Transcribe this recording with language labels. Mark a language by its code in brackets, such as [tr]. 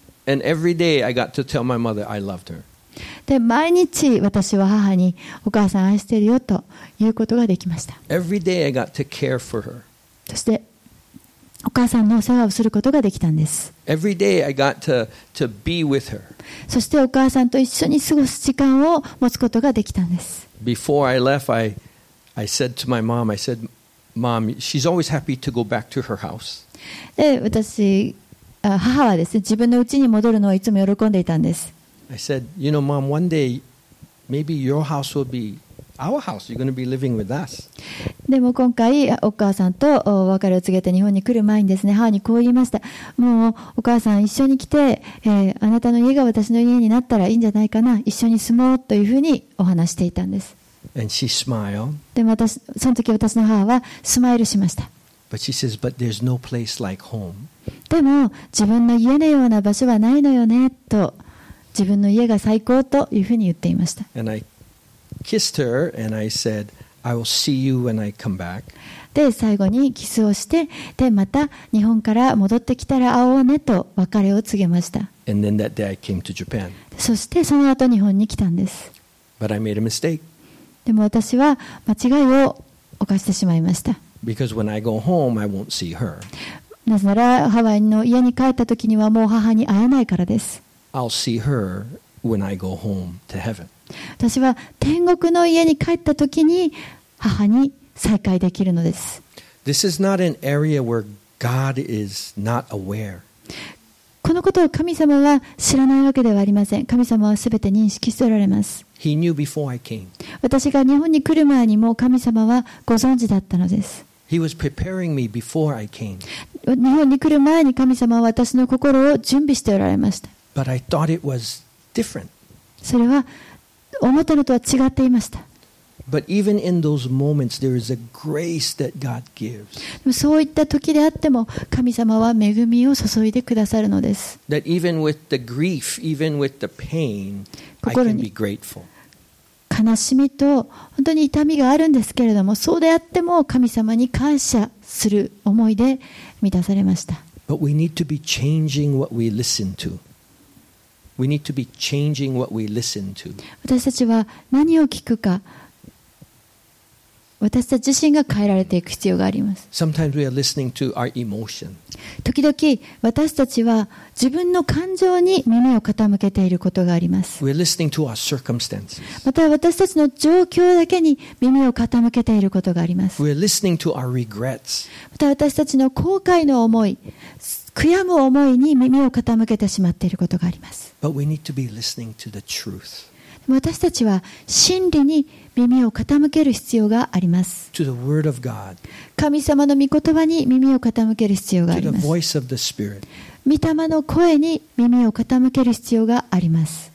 [en] And every day I got to tell my mother I loved her. [ja] で、毎日私は母にお母さん愛してるよということができました。 [en] Every day I got to care for her. [ja] そしてお母さんのお世話をすることができたんです。 [en] Every day I got to be with her. [ja] そしてお母さんと一緒に過ごす時間を持つことができたんです。 [en] Before I left, I said to my mom, I said, Mom, she's always happy to go back to her house. [ja] で、私、母はですね、自分の家に戻るのをいつも喜んでいたんです。 [en] I said, you know, Mom, one day, maybe your house will be our house. You're going to be living with us. [ja] でも今回、お母さんと別れを告げて日本に来る前にですね、母にこう言いました。もうお母さん一緒に来て、あなたの家が私の家になったらいいんじゃないかな。一緒に住もうというふうにお話していたんです。 [en] And she smiled. [ja] でも私、その時私の母はスマイルしました。 [en] But she says, but there's no place like home. [ja] でも自分の家のような場所はないのよねと、自分の家が最高というふうに言っていました。 [en] And I kissed her and I said, I will see you when I come back. [ja] で最後にキスをして、でまた日本から戻ってきたら会おうねと別れを告げました。 [en] And then that day I came to Japan. [ja] そしてその後日本に来たんです。 [en] But I made a mistake. [ja] でも私は間違いを犯してしまいました。 [en] Because when I go home, I won't see her. [ja] なぜならハワイの家に帰った時にはもう母に会えないからです。 [en] I'll see her when I go home to heaven. [ja] 私は天国の家に帰った時に母に再会できるのです。 [en] This is not an area where God is not aware. [ja] このことを神様は知らないわけではありません。神様はすべて認識しておられます。 [en] He knew before I came. [ja] 私が日本に来る前にも神様はご存知だったのです。 [en] He was preparing me before I came. [ja] 日本に来る前に神様は私の心を準備しておられました。 [en] But I thought it was different. [ja] それは思ったのとは違っていました。 [en] But even in those moments, there is a grace that God gives. [ja] でもそういった時であっても神様は恵みを注いでくださるのです。 [en] That even with the grief, even with the pain, I can be grateful. [ja] 悲しみと本当に痛みがあるんですけれども、そうであっても神様に感謝する思いで満たされました。 [en] But we need to be changing what we listen to. We need to be changing what we listen to. [ja] 私たちは何を聞くか、私たち自身が変えられていく必要があります。 [en] Sometimes we are listening to our emotion. [ja] 時々私たちは自分の感情に耳を傾けていることがあります。 [en] We are listening to our circumstances. [ja] また私たちの状況だけに耳を傾けていることがあります。 [en] We are listening to our regrets. [ja] また私たちの後悔の思い、悔やむ思いに耳を傾けてしまっていることがあります。 [en] But we need to be listening to the truth. [ja] 私たちは真理に耳を傾ける必要があります。 [en] To the word of God. [ja] 神様の御言葉に耳を傾ける必要があります。 [en] To the voice of the Spirit. [ja] 御霊の声に耳を傾ける必要があります。